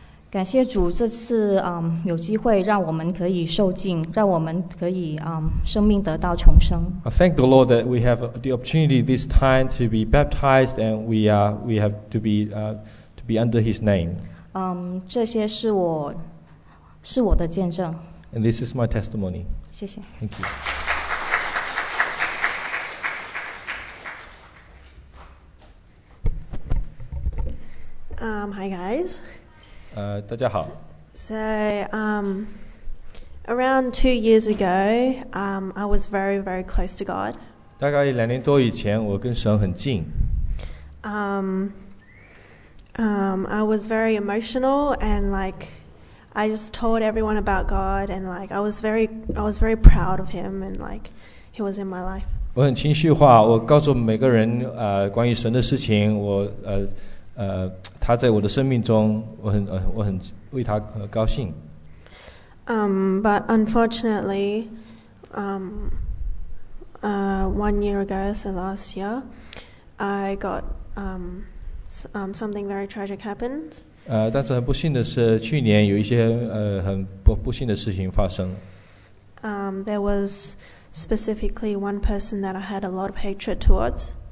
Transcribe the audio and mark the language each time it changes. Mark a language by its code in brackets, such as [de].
[zh] 感谢主这次有机会让我们可以受浸，让我们可以生命得到重生。 [en] I thank the Lord that we have the opportunity this time to be baptized and we have to be under His name. [zh] 这些是我的见证。 [en] And this is my testimony. [zh] 谢谢。 [en] Thank you. Hi guys. [zh] 大家好。 [en] So, around 2 years ago, I was very, very close to God. [zh] 大概两年多以前，我跟神很近。 [en] I was very emotional and like, I just told everyone about God and like, I was very proud of Him and like, He was in my life. [zh] 我很情绪化，我告诉每个人关于神的事情，我他在我的生命中，我很为他高兴。 [en] But unfortunately, one year ago, so last year, I got something very tragic happened. [zh] 但是很不幸的是，去年有一些很不幸的事情发生。 [en] There was specifically one person that I had a lot of hatred towards.